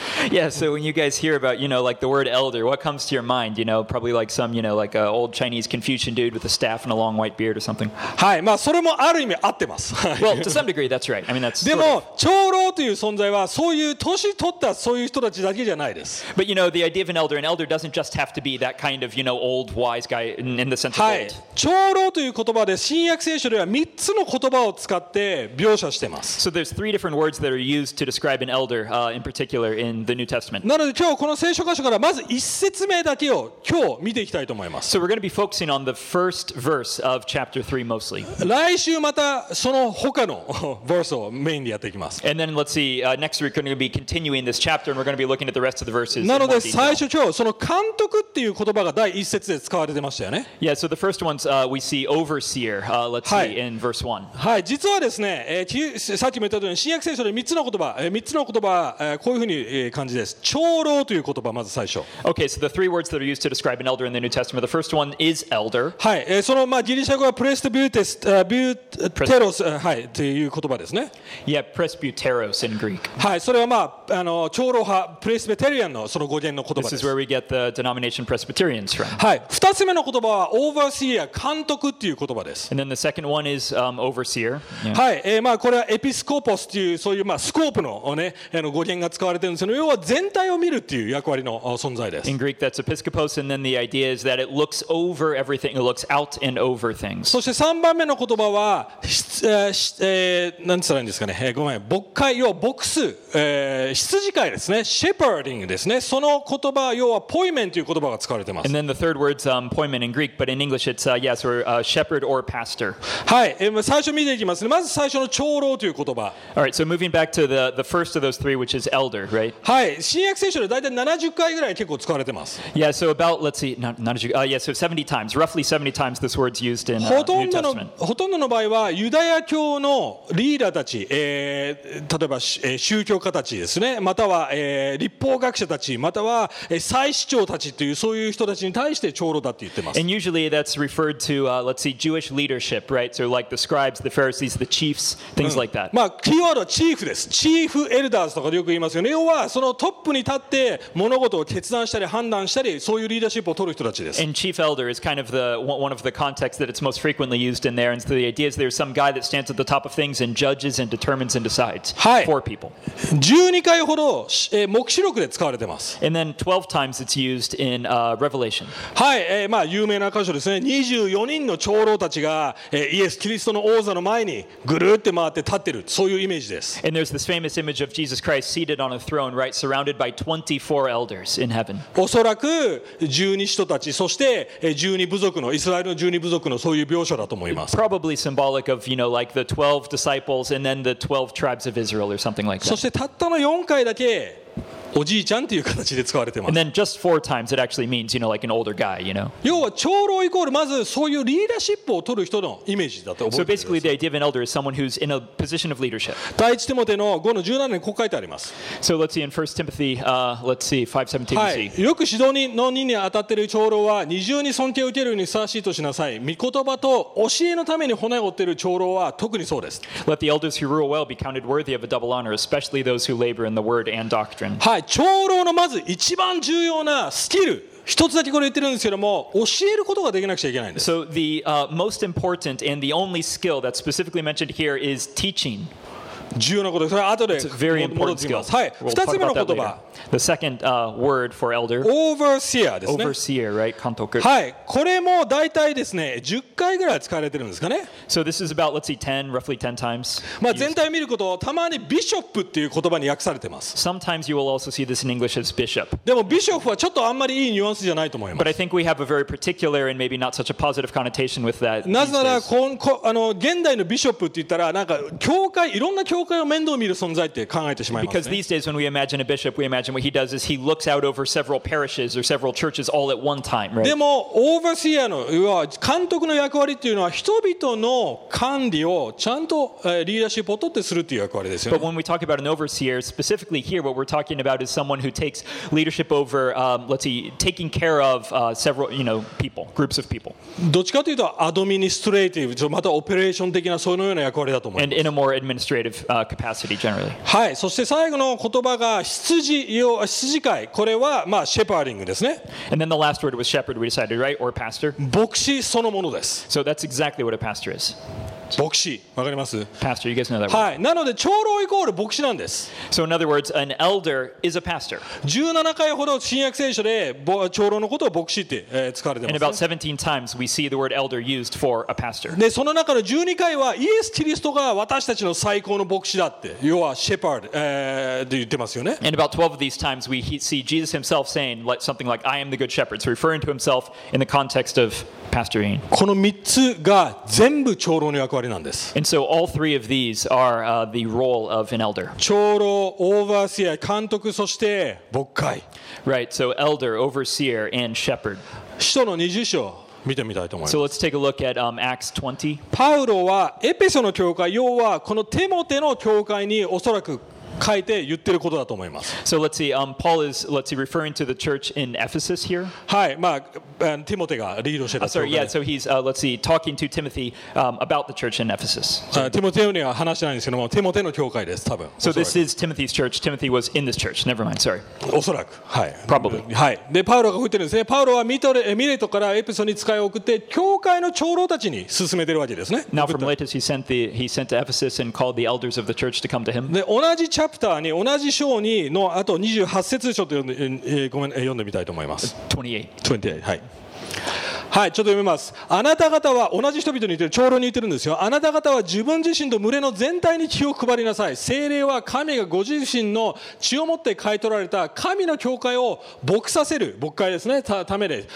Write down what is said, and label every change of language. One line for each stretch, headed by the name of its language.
English: Yeah, so when you guys hear about, you know, like the word elder, what comes to your mind? You know, probably like some, you know, like an old Chinese Confucian dude with a staff and a long white beard or something.
Japanese: はい、まあそれもある意味合ってます。
English: Well, to some degree, that's right. I mean, that's
Japanese: でも長老という存在はそういう年取ったそういう人たちだけじゃないです。
English: But you know, the idea of an elder doesn't just have to be that kind of, you know, old wise guy in the sense of old.
Japanese: はい、長老という言葉で新約聖書では3つの言葉を使って描写してます。
English: So there's three different words that are used to describe an elder. In particular in the New Testament.
Japanese: なので今日この聖書箇所からまず一節目だけを今日見ていきたいと思います。
English: So we're going to be focusing on the first verse of chapter 3 mostly.
Japanese: 来週またその他の verse をメインでやっていきます。
English: And then let's see, next week we're going to be continuing this chapter and we're going to be looking at the rest of the verses.
Japanese: なので最初今日その監督っていう言葉が第一節で使われてましたよね。
English: Yeah, so the first ones, we see overseer, let's see in verse 1.
Japanese: はい、実はですね、さっきも言った通り新約聖書で3つの言葉、こういうふうに感じです。長老という言葉まず最初。
English: Okay, so the three words that are used to describe an elder in the New Testament, the first one is elder.
Japanese: はい、そのまあギリシャ語はプレスビューテス、ビューテロス、はい、という言葉ですね。
English: Yeah, presbyteros in Greek.
Japanese: はい、それはまああの長老派、プレスベテリアンのその語源の言葉です。
English: This is where we get the denomination Presbyterians from.
Japanese: はい、二つ目の言葉は overseer、監督っていう言葉です。
English: And then the second one is overseer.、 Yeah.
Japanese: はい、まあこれはエピスコポスというそういうまあスコープのね。語源が使われているんですよ。要は全体を見るっていう役割の存在です。
English: In Greek, that's episkopos, and then the idea is that it looks over everything, it looks out and over things.
Japanese: そして3番目の言葉は、何て言ったらいいんですかね。ごめん、牧会、要は牧す、羊飼いですね。 Shepherding ですね。その言葉、要はポイメンという言葉が使われています。
English: And then the third word's ポイメン in Greek, but in English it's yes, or shepherd or pastor.
Japanese: はい、最初見ていきますね。まず最初の長老という言葉。
English: All right, so moving back to the first of those three, which is elder, right?
Japanese: はい、新約聖書でだいたい70回ぐらい結構使われてます。
English: Yeah, so about, let's see, not 70, yeah, so 70 times, roughly 70 times this word's used in the New Testament.
Japanese: ほとんどの場合はユダヤ教のリーダーたち、例えば、宗教家たちですね、または、立法学者たち、または、祭司長たちというそういう人たちに対して長老だって言ってます。
English: And usually that's referred to, let's see, Jewish leadership, right? So like the scribes, the Pharisees, the chiefs, things like that.
Japanese: まあ、キーワードはチーフです。チーフエルダーズとかでよく言いますよね。要はそのトップに立って物事を決断したり判断したりそういうリーダーシップを取る人たちです。
English: And chief elder is kind of the one of the contexts that it's most frequently used in there. And so the idea is there's some guy that stands at the top of things and judges and determines and decides for people.
Japanese: 12回ほど黙示録で使われてます。
English: And then 12 times it's used in Revelation.
Japanese: はい、まあ有名な箇所ですね。24人の長老たちがイエス・キリストの王座の前にぐるって回って立ってるそういうイメージです。
English: And there's this famous image of Jesus Christ seated on a throne, right, surrounded by 24 elders in heaven.
Japanese: おそらく12使徒たち、そして12部族のイスラエルの12部族のそういう描写だと思います。
English: Probably symbolic of, you know, like the 12 disciples and then the 12 tribes of Israel or something like that.
Japanese: そしてたったの4回だけおじいちゃんという形で使われてます。
English: And then just four times it actually means, you know, like an older guy, you know.
Japanese: 要は長老イコールまずそういうリーダーシップを取る人のイメージだと思います
English: 。 So basically the idea of an elder is someone who's in a position of leadership.
Japanese: 第一テモテの5の17にこう書いてあります。
English: So let's see in 1 Timothy, let's see, 5:17.
Japanese: はい。よく指導人の任に当たっている長老は二重に尊敬を受けるようにふさわしいとしなさい。御言葉と教えのために骨を折っている長老は特にそうです。
English: Let the elders who rule well be counted worthy of a double honor, especially those who labor in the word and doctrine.
Japanese: はい。長老のまず一番重要なスキル一つだけこれ言ってるんですけども教えることができなくちゃいけないんです。
English: So the most important and the only skill that's specifically mentioned here is teaching.
Japanese: 重要なことです。それは後で戻ってきます。はい、二つ目の言葉
English: The second word for elder
Japanese: Overseer ですね。
English: Overseer, right? 監督。
Japanese: はい、これも大体ですね10回ぐらい使われてるんですかね。
English: So this is about, let's see, 10, roughly 10 times.
Japanese: まあ全体を見ることたまにビショップっていう言葉に訳されてます。
English: Sometimes you will also see this in English as bishop.
Japanese: でもビショップはちょっとあんまりいいニュアンスじゃないと思います。
English: But I think we have a very particular and maybe not such a positive connotation with that.
Japanese: なぜならあの現代のビショップって言ったらなんか教会いろんな教会を面倒見る存在って考えてしまいますね。
English: Because these days when we imagine a bishop, we imagine what he does is he looks out over several parishes or several churches all at one time, right?
Japanese: でも overseer の要は監督の役割というのは人々の管理をちゃんとリーダーシップを取ってするという役割ですよね。
English: But when we talk about an overseer, specifically here, what we're talking about is someone who takes leadership over, let's see, taking care of several, you know, people, groups of people.
Japanese: どっちかというとアドミニストレーティブ、またオペレーション的なそのような役割だと思います。
English: And in a more administrative capacity, generally.
Japanese: はい、そして最後の言葉が羊飼い、これはまあシェパーディングですね。
English: And then the last word was shepherd, we decided, right? Or pastor.
Japanese: 牧師そのものです。
English: So that's exactly what a pastor is.
Japanese: 牧師、わかります？
English: Pastor, you guys know that word.
Japanese: はい、なので長老イコール牧師なんです。
English: So in other words, an elder is a pastor.
Japanese: 17回ほど新約聖書で長老のことを牧師って使われてますね。
English: And about 17 times we see the word elder used for a pastor.
Japanese: で、その中の12回はイエス・キリストが私たちの最高の牧師だって、要はシェパードで言ってますよね。
English: And about 12 of these times we see Jesus himself saying something like, I am the good shepherd. So referring to himself in the context of pastoring.
Japanese: この3つが全部長老の役割なんです。
English: And so all three of these are the role of an elder.
Japanese: 長老、overseer、監督、そして牧会。
English: Right, so elder, overseer, and shepherd.
Japanese: 使徒の20章。見てみたいと思います。
English: So let's take a look at Acts 20.
Japanese: パウロはエペソの教会、要はこのテモテの教会におそらく書いて言ってることだと思います。
English: So let's see, Paul is, let's see, referring to the church in Ephesus here.
Japanese: はい、まあ、ティモテがリードしてた。
English: Sorry, yeah, so he's, let's see, talking to Timothy, about the church in Ephesus.
Japanese: ティモテには話してないんですけども、ティモテの教会です、多分。
English: So this is Timothy's church. Timothy was in this church. Never mind, sorry.
Japanese: おそらく、はい。
English: Probably.
Japanese: はい。で、パウロが言ってるんですね。パウロはミレトからエペソに使いを送って、教会の長老たちに勧めてるわけですね。 Now from Miletus, he sent to Ephesus and called the elders of the church to come to him. で、同じチャプターに同じ章にのあと28節ちょっと読んでみたいと思います。 28はい、はい、ちょっと読みます。あなた方は同じ人々に言ってる、長老に言ってるんですよ。あなた方は自分自身と群れの全体に気を配りなさい。聖霊は神がご自身の血を持って買い取られた神の教会を牧させる、牧会ですね、ためです。